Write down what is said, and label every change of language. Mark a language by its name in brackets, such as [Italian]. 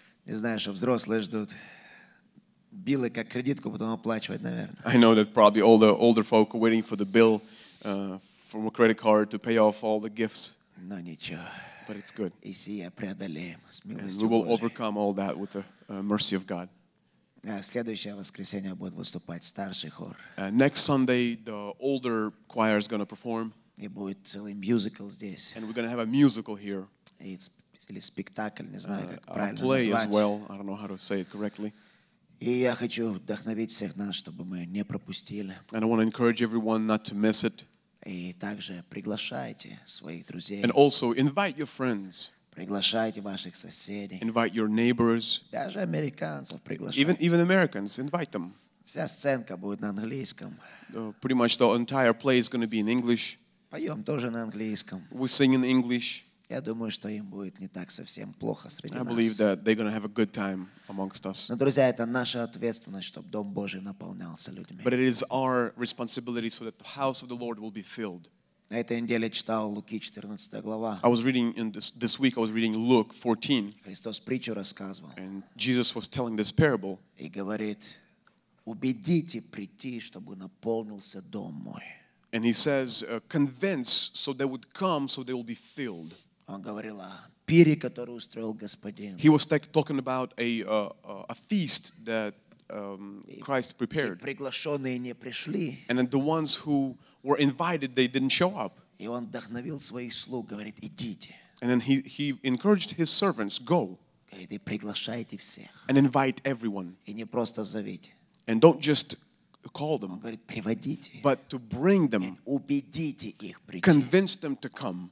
[Russian] Не знаю, что взрослые ждут. Билы как кредитку потом оплачивать, наверное. [English] I know that probably all the older folk are waiting for the bill. From a credit card to pay off all the gifts. No, [Russian] ничего. [English] But it's good. [Russian] И сие преодолеем с милостью Божией. [English] And we will overcome all that with the mercy of God. [Russian] Следующее воскресенье будет выступать старший хор. [English] Next Sunday, the older choir is going to perform. [Russian] И будет целый мюзикл здесь. [English] And we're going to have a musical here. [Russian] Или спектакль, не знаю, как правильно назвать. [English] A play [Russian] назвать. [English] As well. I don't know how to say it correctly. [Russian] И я хочу вдохновить всех нас, чтобы мы не пропустили. [English] And I want to encourage everyone not to miss it. [Russian] И также приглашайте своих друзей. [English] And also invite your friends. [Russian] Приглашайте ваших соседей. [English] Invite your neighbors. [Russian] Даже американцев приглашайте. [English] Even Americans, invite them. [Russian] Вся сценка будет на английском. [English] Pretty much the entire play is going to be in English. [Russian] Поем тоже на английском. [English] We sing in English. [Russian] Я думаю, что им будет не так совсем плохо среди нас. [English] I believe that they're going to have a good time amongst us. [Russian] Но, друзья, это наша ответственность, чтобы Дом Божий наполнялся людьми. [English] But it is our responsibility so that the house of the Lord will be filled. [Russian] На этой неделе читал Луки 14 глава. [English] I was reading in this week, I was reading Luke 14. [Russian] Христос притчу рассказывал. [English] And Jesus was telling this parable. [Russian] И говорит, убедите прийти, чтобы наполнился дом мой. [English] And he says, convince so they would come, so they will be filled. [Russian] Он говорил о пире, который устроил Господин. [English] He was talking about a feast that Christ prepared. [Russian] И приглашенные не пришли. [English] And then the ones who were invited, they didn't show up. [Russian] И он вдохновил своих слуг, говорит, идите. [English] And then he encouraged his servants, go. [Russian] И приглашайте всех. [English] And invite everyone. [Russian] И не просто зовите. [English] And don't just call them, [Russian] говорит, приводите, [English] but to bring them, [Russian] убедите их прийти, [English] convince them to come,